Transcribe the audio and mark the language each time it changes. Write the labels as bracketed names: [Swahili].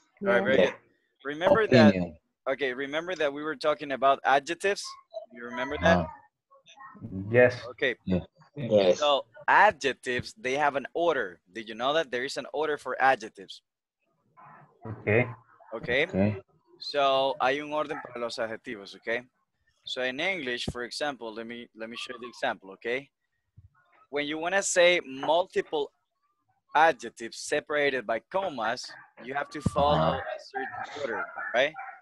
[English] All right, very good. Remember opinion. Remember that we were talking about adjectives? You remember that? Yes. Okay. Yes. So adjectives, they have an order. Did you know that? There is an order for adjectives. Okay. Okay. Okay. [Spanish] So hay un orden para los adjetivos, okay? [English] So in English, for example, let me show you the example, okay? When you want to say multiple adjectives separated by commas, you have to follow a certain order, right?